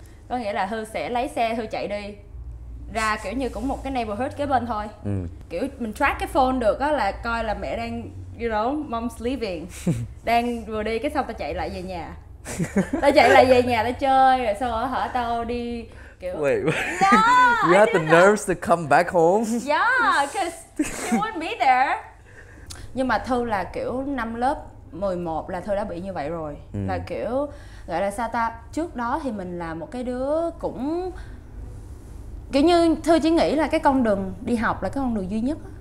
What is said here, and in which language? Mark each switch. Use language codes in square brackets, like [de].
[vi] Có nghĩa là Thư sẽ lấy xe Thư chạy đi. Ra kiểu như cũng một cái neighborhood kế bên thôi. Ừ. Kiểu mình track cái phone được á là coi là mẹ đang, [en] you know, mom's leaving. [vi] Đang vừa đi cái xong tao chạy lại về nhà. Tao chạy lại về nhà tao chơi rồi sau đó hả tao đi kiểu [en] wait, no, you have the nerves to come back home. Yeah, cause you wouldn't be there. [vi] Nhưng mà Thư là kiểu năm lớp 11 là Thư đã bị như vậy rồi. Mm. Là kiểu gọi là sao ta, trước đó thì mình là một cái đứa cũng kiểu như Thư chỉ nghĩ là cái con đường đi học là cái con đường duy nhất.